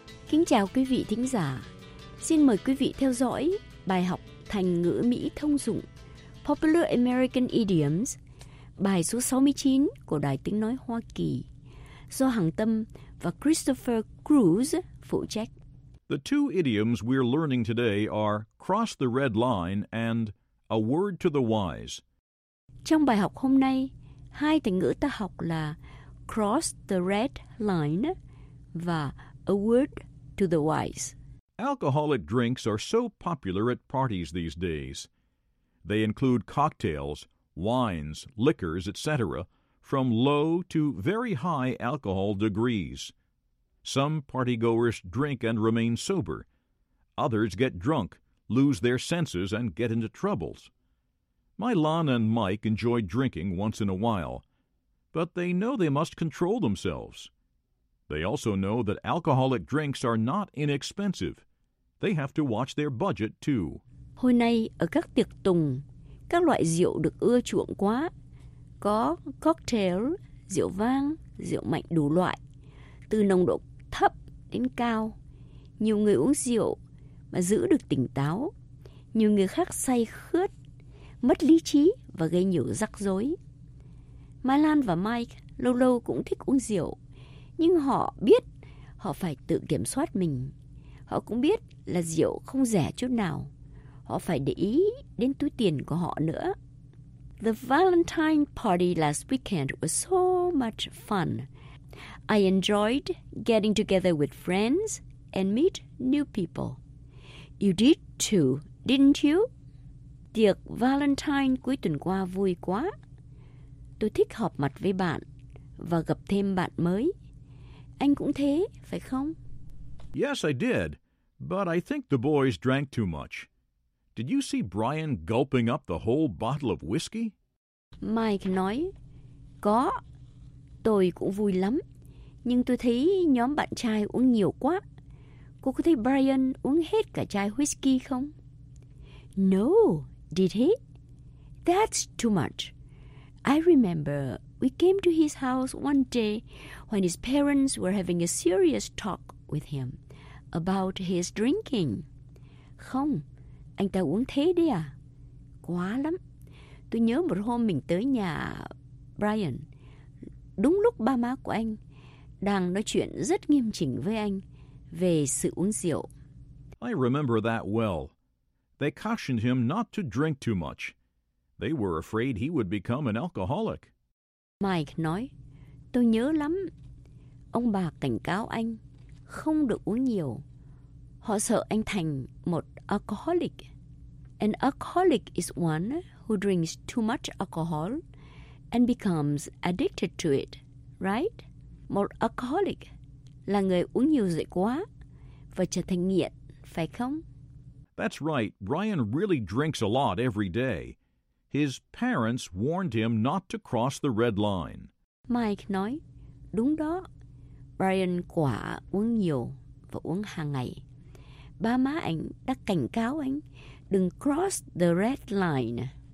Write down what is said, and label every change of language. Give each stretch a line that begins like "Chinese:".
Vietnamese: Kính chào quý vị thính giả. Xin mời quý vị theo dõi bài học thành ngữ Mỹ thông dụng Popular American Idioms, bài số 69 của Đài Tiếng Nói Hoa Kỳ, do Hằng Tâm và Christopher Cruz phụ trách.
English: The two idioms we're learning today are cross the red line and a word to the wise.
Vietnamese: Trong bài học hôm nay, hai thành ngữ ta học là
English: cross the red line
Vietnamese: và
English: a word to the wise. Alcoholic drinks are so popular at parties these days. They include cocktails, wines, liquors, etc., from low to very high alcohol degrees. Some partygoers drink and remain sober. Others get drunk, lose their senses, and get into troubles. My Lon and Mike enjoy drinking once in a while, but they know they must control themselves. They also know that alcoholic drinks are not inexpensive. They have to watch their budget, too.
Vietnamese: Hồi nay, ở các tiệc tùng, các loại rượu được ưa chuộng quá. Có cocktail, rượu vang, rượu mạnh đủ loại, từ nồng độ thấp đến cao. Nhiều người uống rượu mà giữ được tỉnh táo. Nhiều người khác say khướt, mất lý trí và gây nhiều rắc rối. Mai Lan và Mike lâu lâu cũng thích uống rượu, nhưng họ biết họ phải tự kiểm soát mình. Họ cũng biết là rượu không rẻ chút nào. Họ phải để ý đến túi tiền của họ nữa.
English: The Valentine party last weekend was so much fun. I enjoyed getting together with friends and meet new people. You did too, didn't you?
Vietnamese: Tiệc Valentine cuối tuần qua vui quá. Tôi thích họp mặt với bạn và gặp thêm bạn mới. Anh cũng thế, phải không?
English: Yes, I did. But I think the boys drank too much. Did you see Brian gulping up the whole bottle of whiskey?
Vietnamese: Mike nói, có, tôi cũng vui lắm. Nhưng tôi thấy nhóm bạn trai uống nhiều quá. Cô có thấy Brian uống hết cả chai whiskey không?
English: No, did he? That's too much. I remember we came to his house one day when his parents were having a serious talk with him about his drinking.
Vietnamese: Không, anh ta uống thế đấy à? Quá lắm. Tôi nhớ một hôm mình tới nhà Brian, đúng lúc ba má của anh đang nói chuyện rất nghiêm chỉnh với anh về sự uống rượu.
English: I remember that well. They cautioned him not to drink too much. They were afraid he would become an alcoholic.
Vietnamese: Mike nói, tôi nhớ lắm. Ông bà cảnh cáo anh không được uống nhiều. Họ sợ anh thành một alcoholic.
English: An alcoholic is one who drinks too much alcohol and becomes addicted to it, right?
Vietnamese: Một alcoholic là người uống nhiều rượu quá và trở thành nghiện, phải không?
English: That's right. Brian really drinks a lot every day. His parents warned him not to cross the red line.
Vietnamese: Mike nói, đúng đó. Brian quả uống nhiều và uống hàng ngày. Ba má anh đã cảnh cáo anh đừng
English: cross the red line.